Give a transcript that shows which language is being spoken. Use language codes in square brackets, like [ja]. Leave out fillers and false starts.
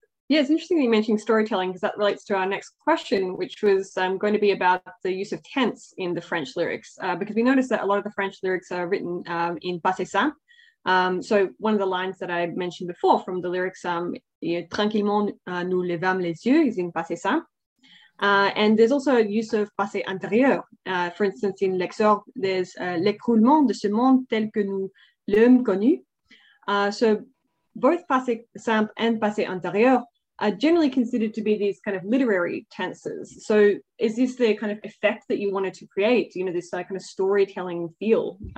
[en] yeah, it's interesting that you mentioned storytelling, because that relates to our next question, which was going to be about the use of tense in the French lyrics, because we noticed that a lot of the French lyrics are written in passé simple. So one of the lines that I mentioned before from the lyrics, [fr] tranquillement nous levâmes les yeux, [en] is in passé simple. And there's also a use of passé antérieur. For instance, in [fr] l'exorbe, [en] there's [fr] l'écroulement de ce monde tel que nous l'hommes connu. [en] So both passé simple and passé antérieur are generally considered to be these kind of literary tenses. So is this the kind of effect that you wanted to create, you know, this kind of storytelling feel?